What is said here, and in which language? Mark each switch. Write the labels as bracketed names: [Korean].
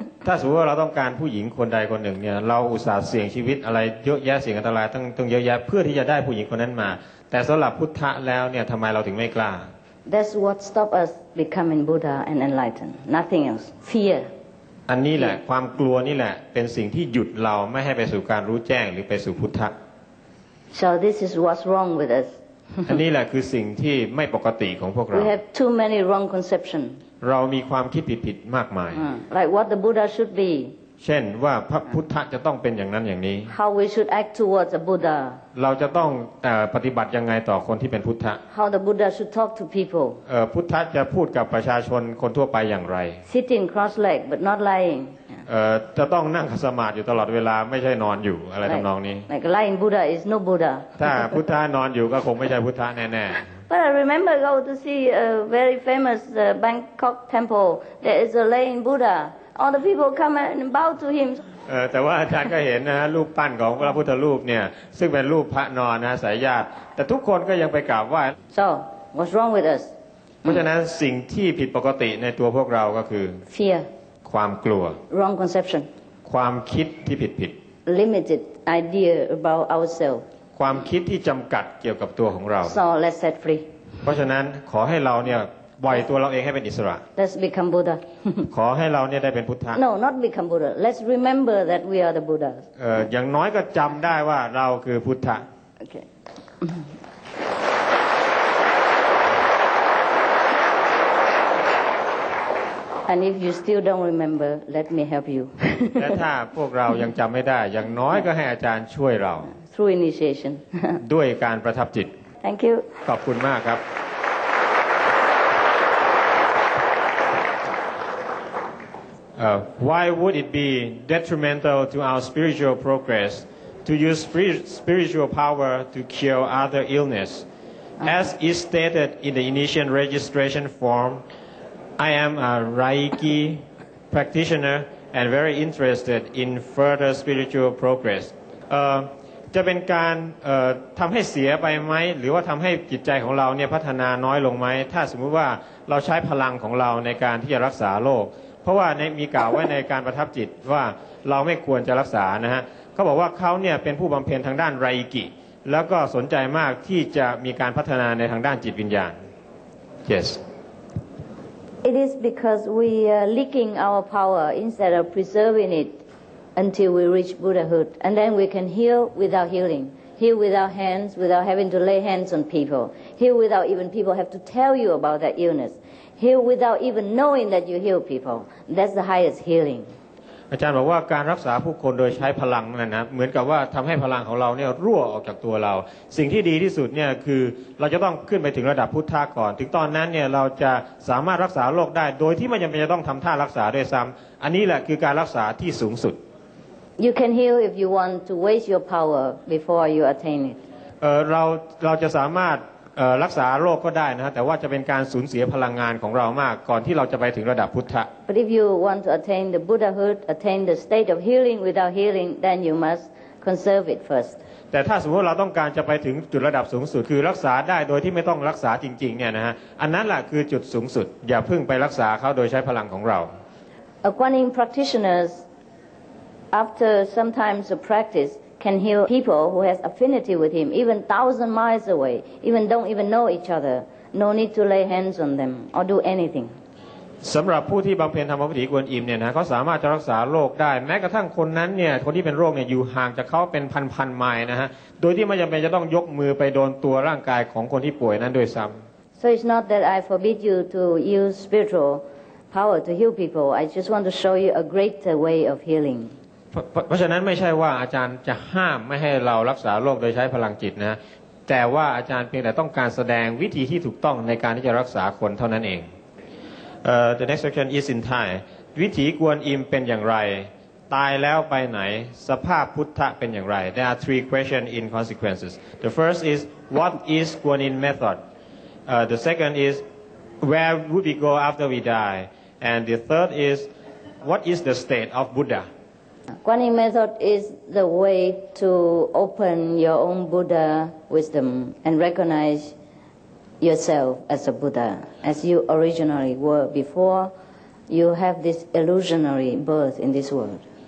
[Thai] ถ้าสมมติว่าเราต้องการผู้หญิงคนใดคนหนึ่งเนี่ยเราอุตส่าห์เสี่ยงชีวิตอะไรเยอะแยะเสี่ยงอันตรายต้องเยอะแยะเพื่อที่จะได้ผู้หญิงคนนั้นมาแต่สำหรับพุทธะแล้วเนี่ยทำไมเราถึงไม่กล้า [English] That's what stops us becoming Buddha and enlightened. Nothing else. Fear. [Thai] อันนี้แหละความกลัวนี่แหละเป็นสิ่งที่หยุดเราไม่ให้ไปสู่การรู้แจ้งหรือไปสู่พุทธะ [English] So this is what's wrong with us. [Thai] อันนี้แหละคือสิ่งที่ไม่ปกติของพวกเรา [English] We have too many wrong conceptions. [Thai] เรามีความคิดผิดๆมากมาย [English] Like what the Buddha should be. [Thai] เช่นว่าพระพุทธะจะต้องเป็นอย่างนั้นอย่างนี้ [English] How we should act towards the Buddha. [Thai] เราจะต้องปฏิบัติยังไงต่อคนที่เป็นพุทธะ [English] How the Buddha should talk to people [Thai] พุทธะจะพูดกับประชาชนคนทั่วไปอย่างไร [English] Sitting cross-legged but not lying [Thai] จะต้องนั่งสมาธิอยู่ตลอดเวลาไม่ใช่นอนอยู่อะไรทำนองนี้ [English] Like lying Buddha is no Buddha [Thai] ถ้าพุทธะนอนอยู่ก็คงไม่ใช่พุทธะแน่ๆ [English] But I remember go to see a very famous Bangkok temple there is a lying Buddha all the people come and bow to him [Thai] แต่ว่าอาจารย์ก็เห็นนะฮะรูปปั้นของพระพุทธรูปเนี่ยซึ่งเป็นรูปพระนอนนะสายญาติแต่ทุกคนก็ยังไปกราบไหว้ [English] So what's wrong with us [Thai] เพราะฉะนั้นสิ่งที่ผิดปกติในตัวพวกเราก็คือ [English] Fear [Thai] ความกลัว [English] Wrong conception [Thai] ความคิดที่ผิด [English] Limited idea about ourselves [Thai] ความคิดที่จำกัดเกี่ยวกับตัวของเรา [English] So let's set free [Thai] เพราะฉะนั้นขอให้เราเนี่ยปล่อยตัวเราเองให้เป็นอิสระ [English] Let's become Buddha [Thai] ขอให้เราเนี่ยได้เป็นพุทธะ [English] No not become Buddha Let's remember that we are the Buddha [Thai] อย่างน้อยก็จำได้ว่าเราคือพุทธะ [English] Okay And if you still don't remember let me help you [Thai] และถ้าพวกเรายังจำไม่ได้อย่างน้อยก็ให้อาจารย์ช่วยเรา [English] Through initiation [Thai] ด้วยการประทับจิต [English] Thank you [Thai] ขอบคุณมากครับ [English] Why would it be detrimental to our spiritual progress to use spiritual power to cure other illness? As is stated in the initiation registration form, I am a Reiki practitioner and very interested in further spiritual progress. [Thai] จะเป็นการทำให้เสียไปไหมหรือว่าทำให้จิตใจของเราเนี่ยพัฒนาน้อยลงไหมถ้าสมมติว่าเราใช้พลังของเราในการที่จะรักษาโรคเพราะว่าในมีกล่าวไว้ในการประทับจิตว่าเราไม่ควรจะรักษานะฮะเขาบอกว่าเขาเนี่ยเป็นผู้บำเพ็ญทางด้านไรกิแล้วก็สนใจมากที่จะมีการพัฒนาในทางด้านจิตวิญญาณ [English] Yes It is because we are leaking our power instead of preserving it until we reach Buddhahood and then we can heal without healing heal without hands without having to lay hands on people heal without even people have to tell you about that illnessHeal without even knowing that you heal people. That's the highest healing. [Thai] อาจารย์บอกว่าการรักษาผู้คนโดยใช้พลังนั่นนะเหมือนกับว่าทำให้พลังของเราเนี่ยรั่วออกจากตัวเราสิ่งที่ดีที่สุดเนี่ยคือเราจะต้องขึ้นไปถึงระดับพุทธะก่อนถึงตอนนั้นเนี่ยเราจะสามารถรักษาโรคได้โดยที่ไม่จำเป็นจะต้องทำท่ารักษาด้วยซ้ำอันนี้แหละคือการรักษาที่สูงสุด [English] You can heal if you want to waste your power before you attain it. [Thai] เราจะสามารถรักษาโรคก็ได้นะฮะแต่ว่าจะเป็นการสูญเสียพลังงานของเรามากก่อนที่เราจะไปถึงระดับพุทธะ [English] But if you want to attain the Buddhahood, attain the state of healing without healing, then you must conserve it first. [Thai] แต่ถ้าสมมติเราต้องการจะไปถึงจุดระดับสูงสุดคือรักษาได้โดยที่ไม่ต้องรักษาจริงๆเนี่ยนะฮะอันนั้นแหละคือจุดสูงสุดอย่าเพิ่งไปรักษาเขาโดยใช้พลังของเรา [English] A Kuan Yin practitioners, after some time of practice. Can heal people who has affinity with him, even thousand miles away, even don't even know each other. No need to lay hands on them or do anything. [Thai] สำหรับผู้ที่บำเพ็ญธรรมปฏิกวนอิมเนี่ยนะเขาสามารถจะรักษาโรคได้แม้กระทั่งคนนั้นเนี่ยคนที่เป็นโรคเนี่ยอยู่ห่างจากเขาเป็นพันๆไมล์นะฮะโดยที่ไม่จำเป็นจะต้องยกมือไปโดนตัวร่างกายของคนที่ป่วยนั้นด้วยซ้ำ [English] So it's not that I forbid you to use spiritual power to heal people. I just want to show you a greater way of healing. [Thai] เพราะฉะนั้นไม่ใช่ว่าอาจารย์จะห้ามไม่ให้เรารักษาโรคโดยใช้พลังจิตนะแต่ว่าอาจารย์เพียงแต่ต้องการแสดงวิธีที่ถูกต้องในการที่จะรักษาคนเท่านั้นเอง [English] The next section is in Thai [Thai] วิธีกวนอิมเป็นอย่างไร ตายแล้วไปไหนสภาพพุทธะเป็นอย่างไร [English] There are three questions in consequences. The first is what is Kuan Yin method? The second is where would we go after we die? And the third is what is the state of Buddha? Kuan Yin method is the way to open your own Buddha wisdom and recognize yourself as a Buddha, as you originally were before you have this illusionary birth in this world.